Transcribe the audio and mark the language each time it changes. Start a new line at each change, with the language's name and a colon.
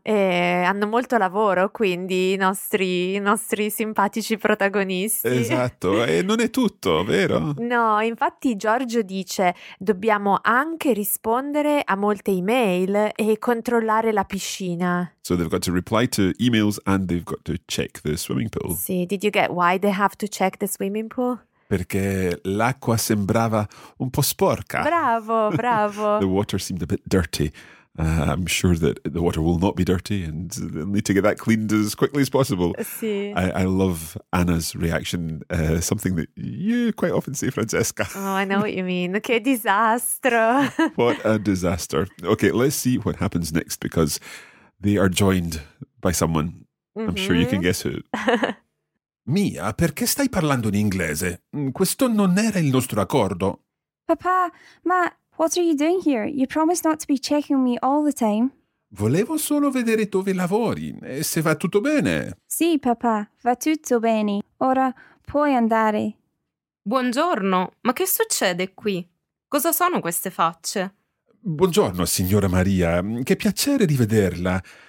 Italian: E hanno molto lavoro, quindi i nostri simpatici protagonisti. Esatto, e non è tutto, vero? No, infatti Giorgio dice dobbiamo anche rispondere a molte email e controllare la piscina.
English: So they've got to reply to emails and they've got to check the swimming pool. Sì, did you get why they have to check the swimming pool?
Italian: Perché l'acqua sembrava un po' sporca. Bravo, bravo.
English: The water seemed a bit dirty. I'm sure that the water will not be dirty and they'll need to get that cleaned as quickly as possible.
Italian: Sì.
English: I love Anna's reaction, something that you quite often say, Francesca. Oh, I know what you mean.
Italian: Che disastro.
English: What a disaster. Okay, let's see what happens next because they are joined by someone. Mm-hmm. I'm sure you can guess who.
Italian: Mia, perché stai parlando in inglese? Questo non era il nostro accordo. Papà, ma...
English: What are you doing here? You promised not to be checking me all the time.
Italian: Volevo solo vedere dove lavori e se va tutto bene. Sì, papà, va tutto bene. Ora puoi andare. Buongiorno, ma che succede qui? Cosa sono queste facce? Buongiorno, signora Maria. Che piacere rivederla.